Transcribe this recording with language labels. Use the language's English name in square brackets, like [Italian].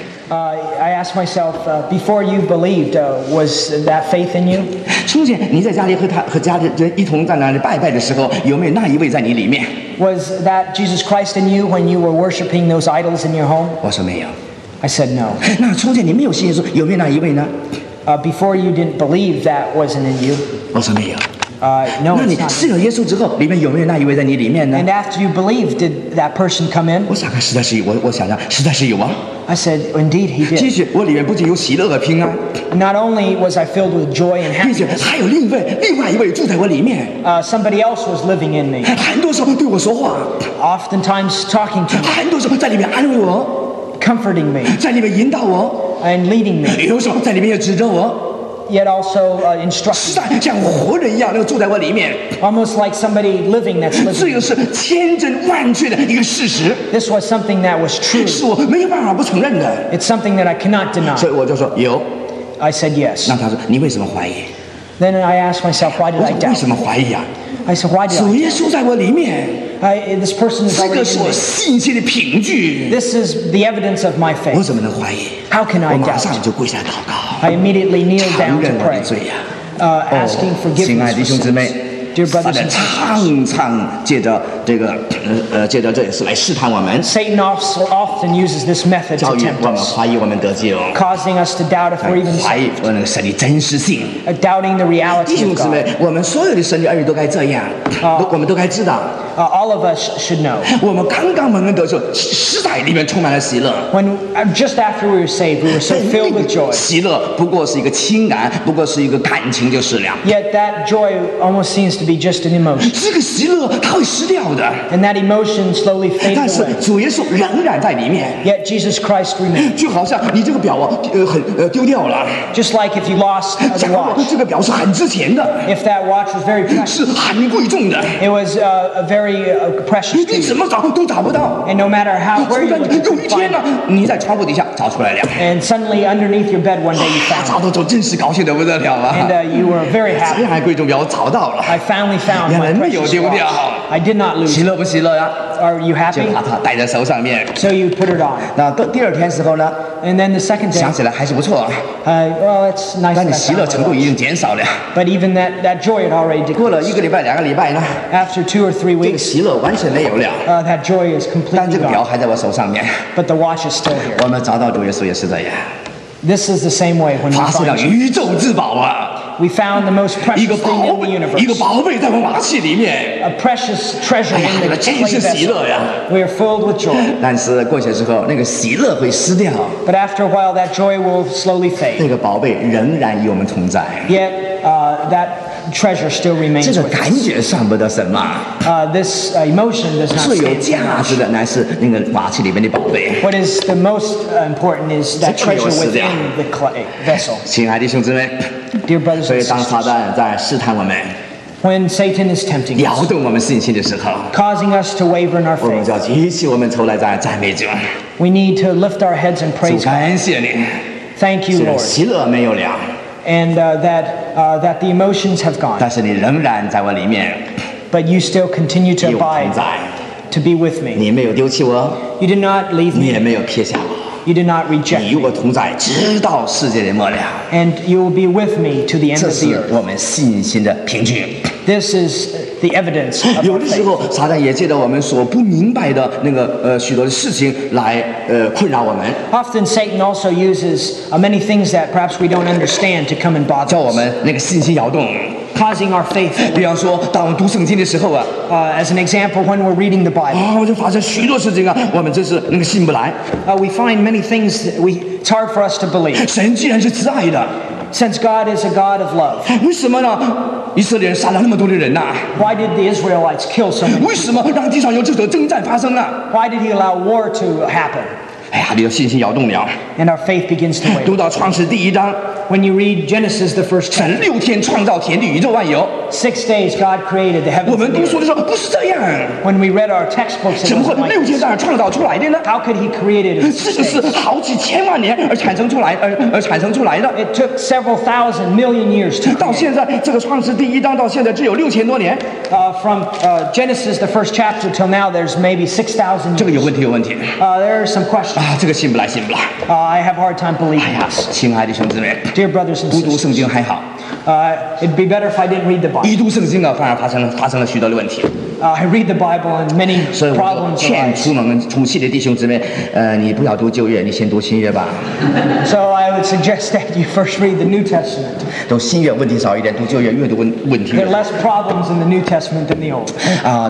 [English] I asked myself, before you believed, was that faith in you? [Chinese] 从前你在家里和家里一同在那里拜拜的时候，有没有那一位在你里面？ [English] Was that Jesus Christ in you when you were worshiping those idols in your home? [Chinese] 我说没有。 [English] I said no. [Chinese] 那从前你没有信耶稣，有没有那一位呢？ [English] Before you didn't believe, that wasn't in you. [Chinese] 我说没有。 [English] No, it's not. [Chinese] 那你信了耶稣之后，里面有没有那一位在你里面呢？ [English] And after you believed, did that person come in? [Chinese] 我想看实在是有，我想想实在是有啊。 [English] I said, indeed, he did. [Chinese] 继续，我里面不仅有喜乐和平安。 [English] Not only was I filled with joy and happiness. [Chinese] 并且还有另外一位住在我里面。 [English] Somebody else was living in me. [Chinese] 很多时候对我说话。 [English] Oftentimes talking to me. [Chinese] 很多时候在里面安慰我。 [English] Comforting me. [Chinese] 在里面引导我。 [English] And leading me. [Chinese] 有时候在里面又指着我。 [English] Yet also instructing. [Chinese] 实在像活人一样，那个住在我里面。 [English] Almost like somebody living that's living. [Chinese] 这个是千真万确的一个事实。 [English] This was something that was true. [Chinese] 是我没有办法不承认的。 [English] It's something that I cannot deny. [Chinese] 所以我就说有。 [English] I said yes. [Chinese] 那他说你为什么怀疑？ [English] Then I asked myself why did I doubt? [Chinese] 为什么怀疑啊？ [English] I said why did I doubt? [Chinese] 主耶稣在我里面。 [English] This person is already in me. [Chinese] 这个是我信心的凭据。 [English] This is the evidence of my faith. [Chinese] 我怎么能怀疑？ [English] How can I doubt? [Chinese] 我马上就跪下祷告。 [English] I immediately kneeled down to pray. [Chinese] 承认我的罪呀。 [English] Asking forgiveness. [Chinese] 亲爱的弟兄姊妹。 [English] Dear brothers and sisters. [Chinese] 常常借着这个，借着这也是来试探我们。 [English] Satan often uses this method to tempt us. [Chinese] 教育我们怀疑我们得救。 [English] Causing us to doubt if we're even saved. [Chinese] 怀疑我们神的真实性。 [English] Doubting the reality of God. [Chinese] 弟兄姊妹，我们所有的神的儿女都该这样，我们都该知道。 [English] All of us should know. [Chinese] 我们刚刚蒙恩得救，实在里面充满了喜乐。 [English] When just after we were saved, we were so filled with joy. [Chinese] 喜乐不过是一个情感，不过是一个感情就是了。 [English] Yet that joy almost seems to be just an emotion. [Chinese] 这个喜乐它会失掉的。 [English] And that emotion slowly fades away. [Chinese] 但是主耶稣仍然在里面。 [English] Yet Jesus Christ remains. [Chinese] 就好像你这个表啊，丢掉了。 [English] Just like if you lost the watch. [Chinese] 这个表是很值钱的。 [English] If that watch was very precious. [Chinese] 是很贵重的。 [English] It was a very And no matter how, where you look, you find it. [Chinese] 你在床铺底下找出来了。 [English] And suddenly, underneath your bed, one day you found it. [Chinese] 找到之后真是高兴得不得了啊。 [English] And you were very happy. [Chinese] 这样贵重表我找到了。 [English] I finally found my precious watch. [Chinese] 没有丢掉。 [English] I did not lose. [Chinese] 喜乐不喜乐呀？ [English] Are you happy? [Chinese] 就把它戴在手上面。 [English] So you put it on. [Chinese] 那第二天时候呢？ [English] And then the second day. [Chinese] 想起来还是不错。 [English] Well, it's nice. [Chinese] 但你喜乐程度已经减少了。 [English] But even that joy had already decreased. [Chinese] 过了一个礼拜、两个礼拜呢？ [English] After 2 or 3 weeks. [Chinese] 喜乐完全没有了。 [English] That joy is completely gone. [Chinese] 但这个表还在我手上面。 [English] But the watch is still here. [Chinese] 我们找到主耶稣也是这样。 [English] This is the same way when we find. [Chinese] 发现了宇宙之宝啊！ [English] We found the most precious thing in the universe. [Chinese] 一个宝贝在瓦器里面。 [English] A precious treasure in the clay vessel. [Chinese] 哎呀，那真是喜乐呀。 [English] We are filled with joy. [Chinese] 但是过些时候，那个喜乐会失掉。 [English] But after a while, that joy will slowly fade. [Chinese] 那个宝贝仍然与我们同在。 [English] Yet, that treasure still remains with us. [Chinese] 这个感觉算不得什么。 [English] This emotion does not. [Chinese] 最有价值的乃是那个瓦器里面的宝贝。 [English] What is the most important is that treasure within the clay vessel. [Chinese] 亲爱的兄姊妹。 [English] Dear brothers and sisters, when Satan is tempting us, causing us to waver in our faith, we need to lift our heads and praise God. Thank you, Lord. And that the emotions have gone. But you still continue to abide, to be with me. You did not leave me. You did not reject me. [Chinese] 你与我同在，直到世界的末了。 [English] And you will be with me to the end of the earth. [Chinese] 这是我们信心的凭据。 [English] This is the evidence of our faith. [Chinese] 有的时候，撒旦也借着我们所不明白的那个许多的事情来困扰我们。 [English] Often Satan also uses many things that perhaps we don't understand to come and bother us. [Chinese] 叫我们那个信心摇动。 [English] Causing our faith. [Chinese] 比方说，当我们读圣经的时候啊。 [English] As an example, when we're reading the Bible. [Chinese] 我就发现许多事情啊，我们真是那个信不来。 [English] We find many things that it's hard for us to believe. [Chinese] 神既然是慈爱的。 [English] Since God is a God of love. [Chinese] 为什么呢？以色列人杀了那么多的人呐、啊。 [English] Why did the Israelites kill so many? [Chinese] 为什么让地上有这种征战发生呢、啊、 [English] ？Why did He allow war to happen? [Chinese] 哎呀，你的信心摇动了。 [English] And our faith begins to waver. [Chinese] 读到创世第一章。 [English] When you read Genesis, the first chapter, [Chinese] 神六天创造天地宇宙万有。 [English] Six days God created the heavens. [Chinese] 我们读书的时候不是这样。 [English] When we read our textbooks, [Chinese] 怎么会六天在那创造出来的呢 [English] ？How could He create it? [Chinese] 这就是好几千万年而产生出来，而产生出来的。 [English] It took several thousand million years to. [Chinese] 到现在，这个创世第一章到现在只有六千多年。 [English] From Genesis, the first chapter, till now, there's maybe 6,000 years. [Chinese] 这个有问题，有问题。 [English] There are some questions. [Chinese] 啊，这个信不来，信不来。 [English] I have a hard time believing. [Chinese] 哎呀，亲爱的兄弟们。 [English] Dear brothers and sisters, [Chinese] 不读圣经还好。 [English] It'd be better if I didn't read the Bible. [Chinese] 一读圣经啊，反而发生了许多的问题。 [English] I read the Bible and many problems arise. [Chinese] 所以我劝出门出气的弟兄姊妹，你不要读旧约，你先读新约吧。 [English] So I would suggest that you first read the New Testament. [Chinese] 读新约问题少一点，读旧约越读问题。 [English] There are less problems in the New Testament than the Old.